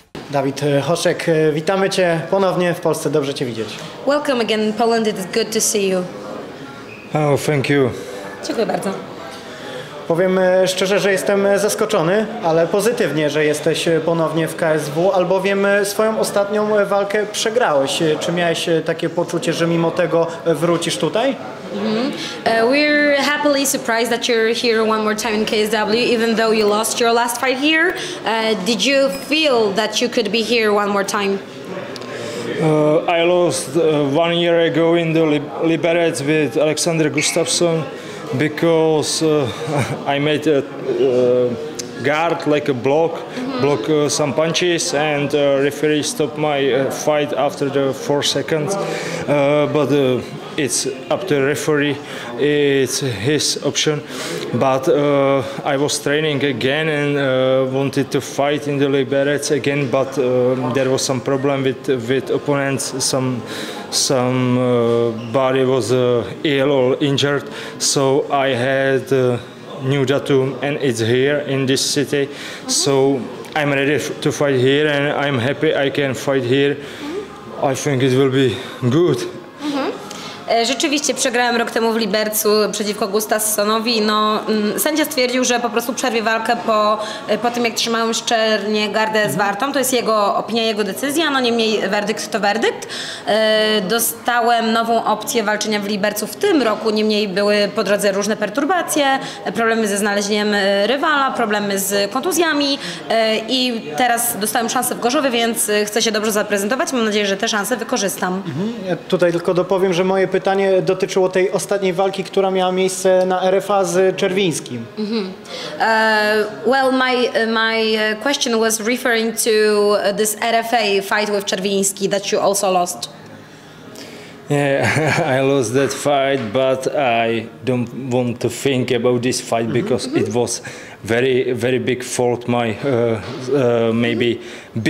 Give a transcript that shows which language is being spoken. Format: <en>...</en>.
<pl>Dawid Hoszek, witamy Cię ponownie w Polsce, dobrze Cię widzieć.</pl> <en>Welcome again in Poland, it's good to see you. Oh, thank you.</en> <pl>Dziękuję bardzo. Powiem szczerze, że jestem zaskoczony, ale pozytywnie, że jesteś ponownie w KSW, albowiem swoją ostatnią walkę przegrałeś. Czy miałeś takie poczucie, że mimo tego wrócisz tutaj? Mm-hmm.</pl> <en>We're happily surprised that you're here one more time in KSW, even though you lost your last fight here. Did you feel that you could be here one more time? I lost 1 year ago in the Liberec with Alexander Gustafsson. Because I made a guard, like a block, mm-hmm. block some punches, and referee stopped my fight after the 4 seconds. But it's up to the referee, it's his option. But I was training again and wanted to fight in the Liberec again, but there was some problem with opponents, some body was ill or injured, so I had new datum and it's here in this city, mm-hmm. so I'm ready to fight here and I'm happy I can fight here. Mm-hmm. I think it will be good.</en> <pl>Rzeczywiście, przegrałem rok temu w Libercu przeciwko Gustafssonowi. No, sędzia stwierdził, że po prostu przerwie walkę po tym, jak trzymałem szczernie gardę z Wartą. To jest jego opinia, jego decyzja. No niemniej werdykt to werdykt. Dostałem nową opcję walczenia w Libercu w tym roku. Niemniej były po drodze różne perturbacje, problemy ze znalezieniem rywala, problemy z kontuzjami. I teraz dostałem szansę w Gorzowie, więc chcę się dobrze zaprezentować. Mam nadzieję, że te szanse wykorzystam. Ja tutaj tylko dopowiem, że moje pytanie dotyczyło tej ostatniej walki, która miała miejsce na RFA z Czerwińskim. Mm-hmm.</pl> <en>Well, my question was referring to this RFA fight with Czerwiński that you also lost. Yeah, I lost that fight, but I don't want to think about this fight because mm-hmm. it was very, very big fault, my maybe mm-hmm.</en>